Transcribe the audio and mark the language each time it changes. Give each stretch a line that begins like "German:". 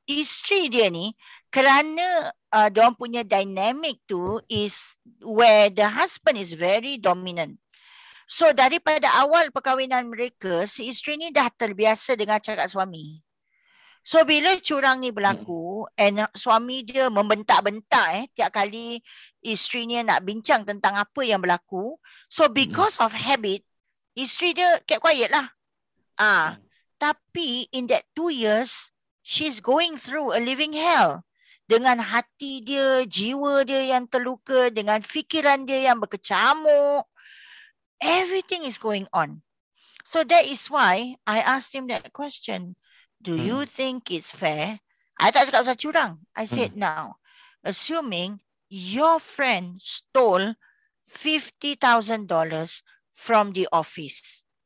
Malay: Isteri dia ni, kerana diorang punya dynamic tu
English: is where the husband is very dominant.
Malay: So daripada awal perkahwinan mereka, si isteri ni dah terbiasa dengan cakap suami. So bila curang ni berlaku and suami dia membentak-bentak tiap kali isteri ni nak bincang tentang apa yang berlaku, so
English: because of habit,
Malay: isteri dia
English: kept quiet
Malay: lah.
English: Tapi in that 2 years, she's going through a living hell.
Malay: Dengan hati dia, jiwa dia yang terluka, dengan fikiran dia yang berkecamuk.
English: Everything is going on. So that is why I asked him that question. Do you think it's fair?
Malay: I tak cakap pasal curang.
English: I said now, assuming your friend stole $50,000 from the office.